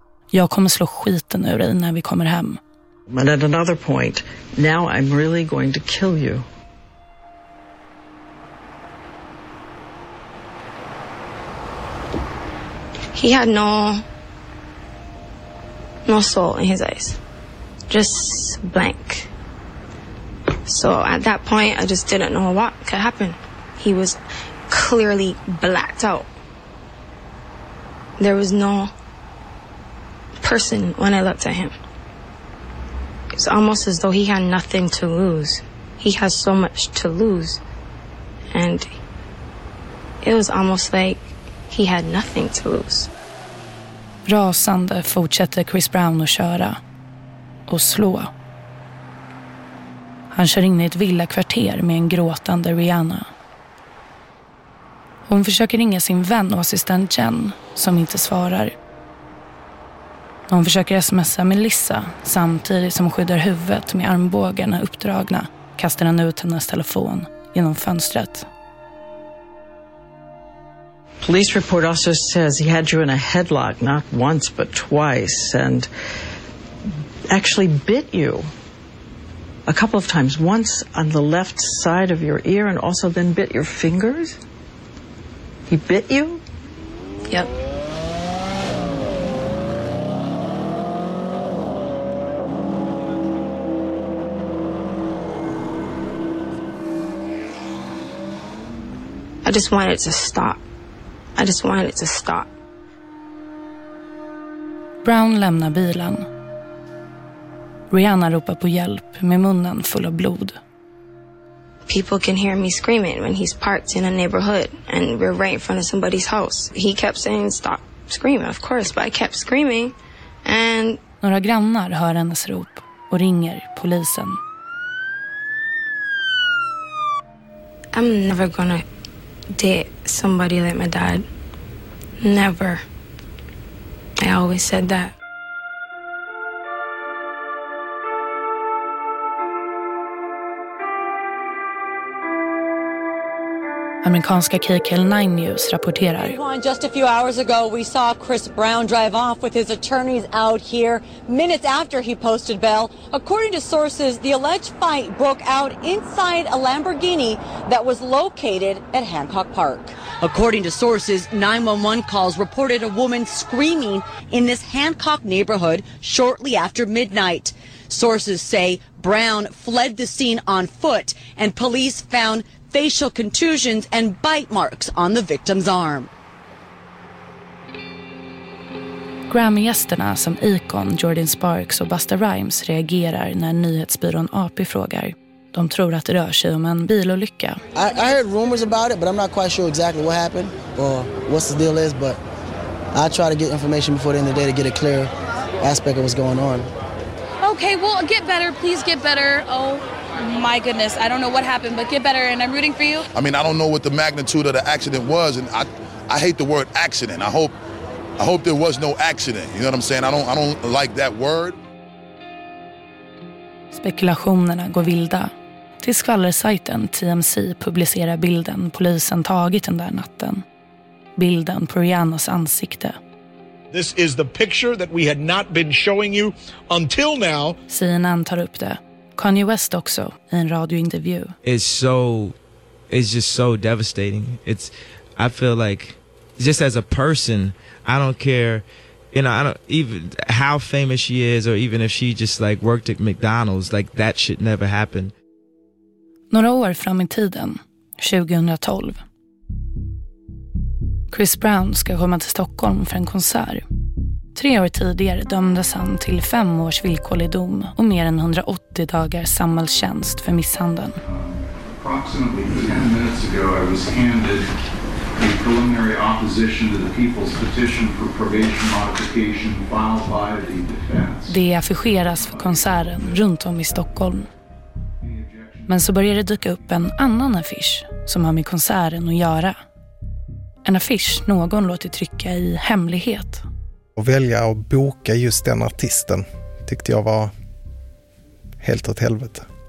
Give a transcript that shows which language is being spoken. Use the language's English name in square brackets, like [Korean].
[Swedish] Jag kommer slå skiten ur dig när vi kommer hem. [English] But at another point, now I'm really going to kill you. He had no soul in his eyes. Just blank. So at that point, I just didn't know what could happen. He was clearly blacked out. There was no person when I looked at him. It's almost as though he had nothing to lose. He has so much to lose. And it was almost like he had nothing to lose. [Swedish] Rasande fortsätter Chris Brown att köra och slå. Han kör in i ett villakvarter med en gråtande Rihanna. Hon försöker ringa sin vän och assistent Jen som inte svarar. Hon försöker smsa Melissa samtidigt som skyddar huvudet med armbågarna uppdragna, kastar han ut hennes telefon genom fönstret. [English] Police report also says he had you in a headlock, not once but twice, and actually bit you a couple of times, once on the left side of your ear and also then bit your fingers. He bit you? Yep. I just wanted it to stop. I just wanted it to stop. [Swedish] Brown lämnar bilen. Rihanna ropar på hjälp med munnen full av blod. [English] People can hear me screaming when he's parked in a neighborhood and we're right in front of somebody's house. He kept saying stop screaming, of course, but I kept screaming and... [Swedish] Några grannar hör hennes rop och ringer polisen. [English] I'm never gonna date somebody like my dad. Never. I always said that. [Swedish] Amerikanska KKL 9 News rapporterar. [English] Just a few hours ago we saw Chris Brown drive off with his attorneys out here minutes after he posted bail. According to sources, the alleged fight broke out inside a Lamborghini that was located at Hancock Park. According to sources, 911 calls reported a woman screaming in this Hancock neighborhood shortly after midnight. Sources say Brown fled the scene on foot and police found facial contusions and bite marks on the victim's arm. [Swedish] Grammy-gästerna som Icon, Jordan Sparks och Busta Rhymes reagerar när nyhetsbyrån AP frågar. De tror att det rör sig om en bilolycka. [English] I heard rumors about it, but I'm not quite sure exactly what happened or what the deal is, but I try to get information before the end of the day to get a clear aspect of what's going on. Okay, well, get better, please get better. Oh, my goodness, I don't know what happened, but get better and I'm rooting for you. I mean, I don't know what the magnitude of the accident was, and I hate the word accident. I hope there was no accident. You know what I'm saying? I don't like that word. [Swedish] Spekulationerna går vilda. Till skvallersajten TMZ publicerar bilden polisen tagit den där natten. Bilden på Rihannas ansikte. [English] This is the picture that we had not been showing you until now. [Swedish] CNN tar upp det. Kanye West också i en radiointervju. [English] It's just so devastating. I feel like just as a person, I don't care you know, I don't even how famous she is, or even if she just like worked at McDonald's, like that should never happen. [Swedish] Några år fram i tiden, 2012. Chris Brown ska komma till Stockholm för en konsert. 3 år tidigare dömdes han till 5 års villkorlig dom och mer än 180 dagar samhällstjänst för misshandeln. [English] Approximately 10 minutes ago I was handed a preliminary opposition to the people's petition for probation modification filed by the defense. [Swedish] Det affischeras för konserten runt om i Stockholm. Men så börjar det dyka upp en annan affisch som har med konserten att göra. En affisch någon låter trycka i hemlighet. Att välja att boka just den artisten tyckte jag var helt åt helvete.